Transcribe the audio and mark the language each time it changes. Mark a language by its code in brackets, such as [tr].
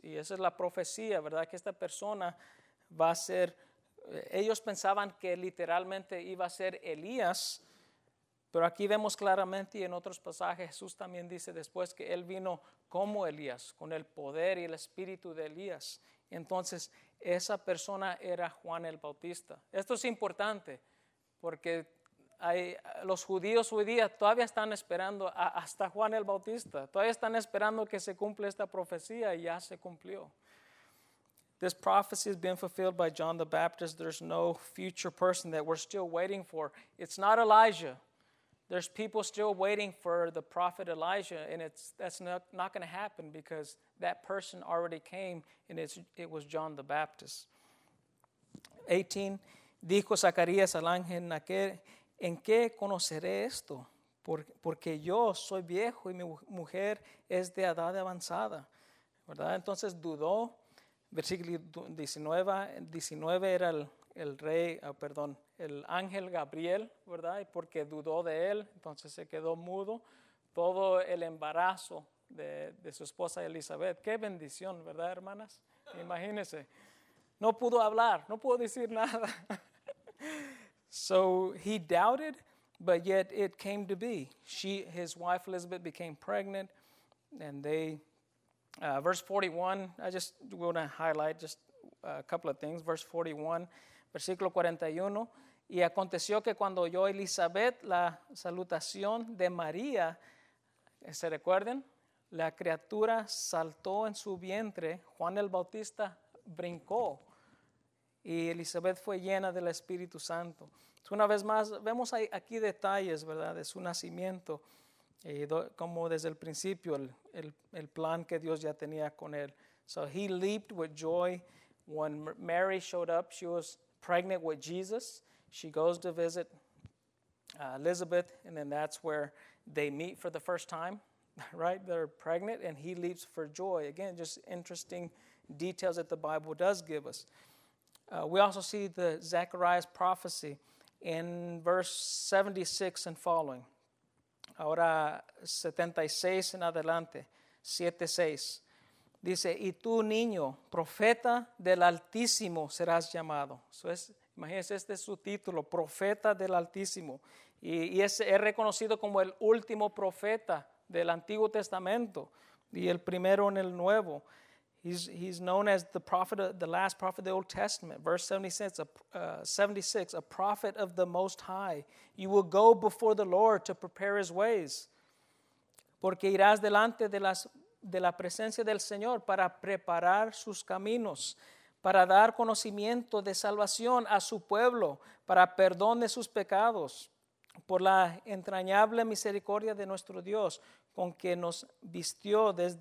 [es] Y esa es la profecía, ¿verdad? Que esta persona va a ser, ellos pensaban que literalmente iba a ser Elías, pero aquí vemos claramente y en otros pasajes, Jesús también dice después que él vino como Elías, con el poder y el espíritu de Elías. Entonces, esa persona era Juan el Bautista. Esto es importante, porque los judíos hoy día todavía están esperando hasta Juan el Bautista. Todavía están esperando que se cumpla esta profecía y ya se cumplió. [en] This prophecy has been fulfilled by John the Baptist. There's no future person that we're still waiting for. It's not Elijah. There's people still waiting for the prophet Elijah, and that's not going to happen because that person already came, and it was John the Baptist. [es] 18, dijo Zacarías al ángel, ¿en qué conoceré esto? Porque yo soy viejo y mi mujer es de edad avanzada, ¿verdad? Entonces dudó. versículo 19 era el rey, perdón, el ángel Gabriel, ¿verdad? Y porque dudó de él, entonces se quedó mudo. Todo el embarazo de su esposa Elizabeth. Qué bendición, ¿verdad, hermanas? Imagínense. No pudo hablar, no pudo decir nada. [en] So he doubted, but yet it came to be. She, his wife Elizabeth, became pregnant, and they, verse 41, I just want to highlight just a couple of things. Verse 41, [es] versículo 41, y aconteció que cuando oyó Elizabeth la salutación de María, ¿se recuerden? La criatura saltó en su vientre, Juan el Bautista brincó, y Elizabeth fue llena del Espíritu Santo. Una vez más, vemos aquí detalles, ¿verdad?, de su nacimiento, como desde el principio, el plan que Dios ya tenía con él. [en] So he leaped with joy when Mary showed up. She was pregnant with Jesus. She goes to visit Elizabeth, and then that's where they meet for the first time, right? They're pregnant, and he leaps for joy. Again, just interesting details that the Bible does give us. We also see the Zechariah's prophecy in verse 76 and following. [es] Ahora 76 en adelante, 7:6. Dice, y tú, niño, profeta del Altísimo serás llamado. So es, imagínense, este es su título, profeta del Altísimo. Y es reconocido como el último profeta del Antiguo Testamento y el primero en el Nuevo. [en] He's known as the prophet, the last prophet of the Old Testament. Verse 76, a prophet of the Most High. You will go before the Lord to prepare his ways. [es] Porque irás delante de la presencia del Señor para preparar sus caminos, para dar conocimiento de salvación a su pueblo, para perdón de sus pecados, por la entrañable misericordia de nuestro Dios, con que nos vistió